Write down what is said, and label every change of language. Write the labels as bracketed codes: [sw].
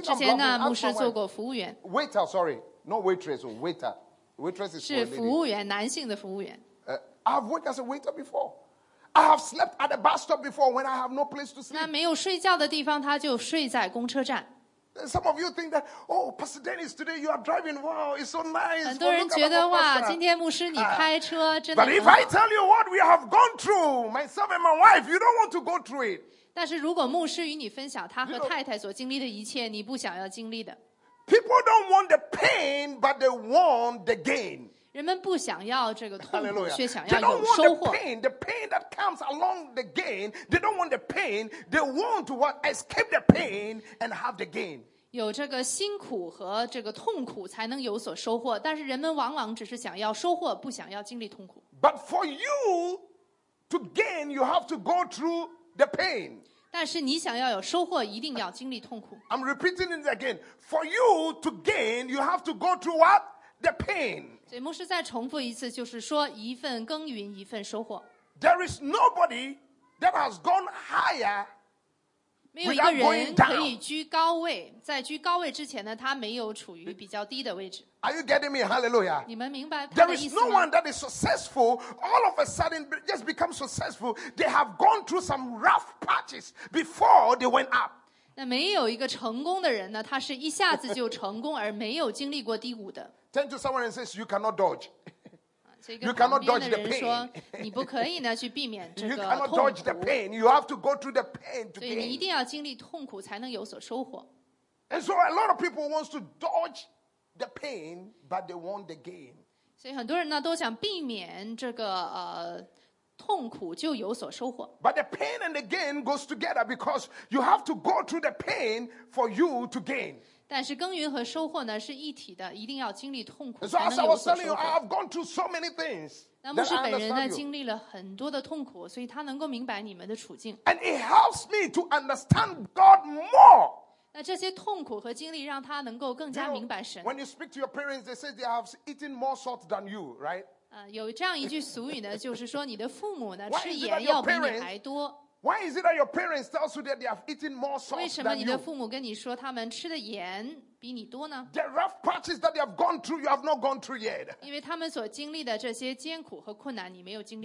[zh] 之前呢，牧师做过服务员。 [en] Waiter, sorry, not waitress, waiter. Waitress is [zh] 是服务员，男性的服务员。 [en] I have worked as a waiter before. I have slept at a bus stop before when I have no place to sleep. [zh] 那没有睡觉的地方，他就睡在公车站。 [en] Some of you think that, oh, Pastor Dennis, today you are driving. Wow, it's so nice. [zh] 很多人觉得哇，今天牧师你开车真的。 [en] But if I tell you what we have gone through, myself and my wife, you don't want to go through it. [zh] 但是如果牧师与你分享他和太太所经历的一切，你不想要经历的。 [en] People don't want the pain, but they want the gain. [zh] 人们不想要这个痛苦，却想要有收获。 [en] They don't want the pain that comes along the gain. They don't want the pain. They want to escape the pain and have the gain. [zh] 有这个辛苦和这个痛苦才能有所收获，但是人们往往只是想要收获，不想要经历痛苦。 [en] But for you to gain, you have to go through the pain. [zh] 但是你想要有收获，一定要经历痛苦。 [en] I'm repeating it again. For you to gain, you have to go through what the pain. [zh] 所以牧师再重复一次，就是说一份耕耘一份收获。 [en] There is nobody that has gone higher. [zh] 没有一个人可以居高位，在居高位之前呢，他没有处于比较低的位置。 [en] Are you getting me? Hallelujah. [zh] 你们明白他的意思吗？ [en] There is no one that is successful. All of a sudden, just become successful. They have gone through some rough patches before they went up. [zh] 那没有一个成功的人呢，他是一下子就成功，而没有经历过低谷的。 [en] Turn to someone and says, "You cannot dodge." You cannot dodge the pain. [zh] 你不可以呢去避免这个痛苦。 [en] You cannot dodge the pain. You have to go through the pain to gain. [zh] 所以你一定要经历痛苦才能有所收获。 [en] And so a lot of people wants to dodge the pain, but they want the gain. [zh] 所以很多人呢都想避免这个痛苦就有所收获。 [en] But the pain and the gain goes together because you have to go through the pain for you to gain. [zh] 但是耕耘和收获呢是一体的，一定要经历痛苦。 [en] So as I was telling you, I've gone through so many things. [zh] 那牧师本人呢经历了很多的痛苦，所以他能够明白你们的处境。 [en] And it helps me to understand God more. [zh] 那这些痛苦和经历让他能够更加明白神。 [en] When you speak to your parents, they say they have eaten more salt than you, right? [zh] 有这样一句俗语呢，就是说你的父母呢吃盐要比你还多。 [en] Why is it that your parents tell you that they have eaten more salt than you? [zh] 为什么你的父母跟你说他们吃的盐比你多呢？ [en] The rough patches that they have gone through, you have not gone through yet. [zh] 因为他们所经历的这些艰苦和困难，你没有经历